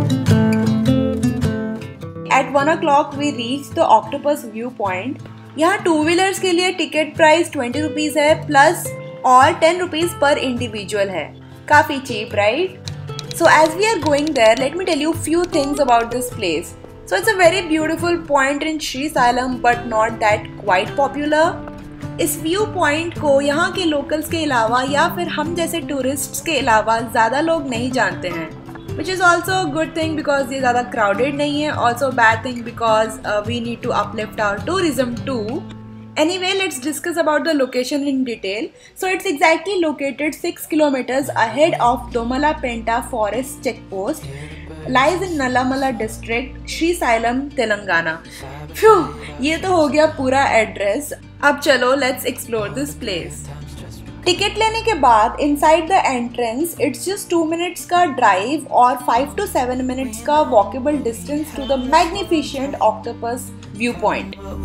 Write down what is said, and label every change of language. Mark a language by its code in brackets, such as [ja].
[en] At 1 o'clock we reached the octopus viewpoint. [hi] यहाँ two wheelers के लिए टिकट प्राइस 20 रुपीज है प्लस और 10 रुपीज पर इंडिविजुअल है. [en] काफी cheap, right? So as we are going there, let me tell you few things about this place. So it's a very beautiful point in Srisailam, but not that quite popular. [hi] इस view point को यहाँ के locals के अलावा या फिर हम जैसे टूरिस्ट के अलावा ज्यादा लोग नहीं जानते हैं. [en] Which is also a good thing because [hi] ये ज़्यादा crowded नहीं है. [en] Also bad thing because we need to uplift our tourism too. Anyway, let's discuss about the location in detail. So it's exactly located 6 kilometers ahead of Domala Penta Forest Checkpost. Lies in Nallamala District, Sri Sailam, Telangana. [hi] Phew, ये तो हो गया पूरा address. अब चलो, [en] let's explore this place. [hi] Ticket लेने के बाद [en] Inside the entrance it's just 2 minutes का drive और 5 to 7 minutes का walkable distance to the magnificent octopus view point.